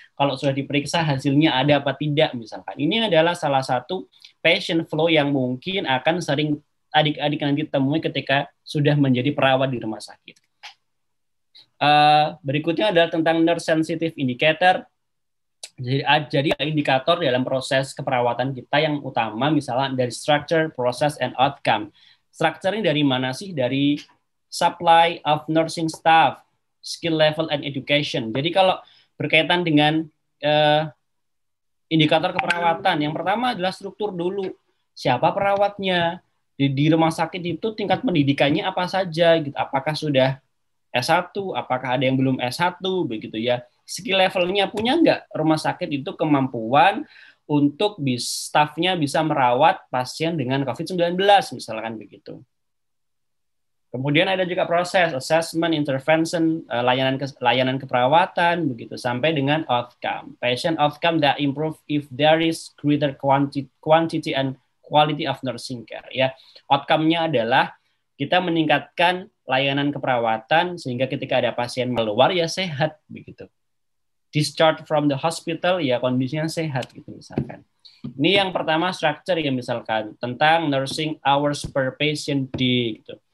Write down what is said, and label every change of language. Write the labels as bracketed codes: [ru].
[id] Kalau sudah diperiksa hasilnya ada apa tidak misalkan. Ini adalah salah satu patient flow yang mungkin akan sering adik-adik nanti temui ketika sudah menjadi perawat di rumah sakit. Berikutnya adalah tentang nurse sensitive indicator. Jadi indikator dalam proses keperawatan kita yang utama misalnya dari [en] structure, process, and outcome. [id] Structure ini dari mana sih? [en] Dari supply of nursing staff, skill level, and education. [id] Jadi kalau berkaitan dengan indikator keperawatan, yang pertama adalah struktur dulu. Siapa perawatnya? Di rumah sakit itu tingkat pendidikannya apa saja? Gitu. Apakah sudah S1, apakah ada yang belum S1, begitu ya. Skill levelnya punya nggak rumah sakit itu kemampuan untuk staffnya bisa merawat pasien dengan COVID-19, misalkan begitu. Kemudian ada juga proses, assessment, intervention, layanan keperawatan, begitu, sampai dengan outcome. [en] Patient outcome that improve if there is greater quantity and quality of nursing care. [id] Ya. Outcome-nya adalah kita meningkatkan layanan keperawatan sehingga ketika ada pasien keluar ya sehat begitu. [en] Discharge from the hospital [id] ya kondisinya sehat gitu misalkan. Ini yang pertama structure ya misalkan tentang [en] nursing hours per patient day [id] gitu.